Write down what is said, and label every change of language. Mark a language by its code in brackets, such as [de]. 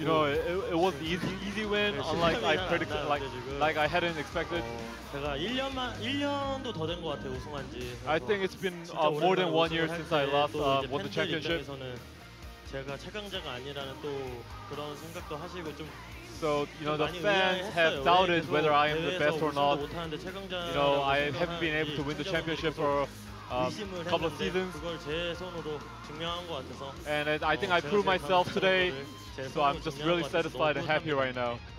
[en] You know, it was easy win, unlike I predicted, like I hadn't expected. [ko] 제가 1년도 더 된 것 같아요, 우승한 지. [en] I think it's been more than 1 year since I last won the championship. [ko] 제가 최강자가 아니라는 또 그런 생각도 하시고 좀. [en] So, you know, the fans have doubted whether I am the best or not. You know, I haven't been able to win the championship for a couple of seasons. [ko] 그걸 제 손으로 증명한 것 같아서. [en] And I think I proved myself today. So I'm just really satisfied and happy right now.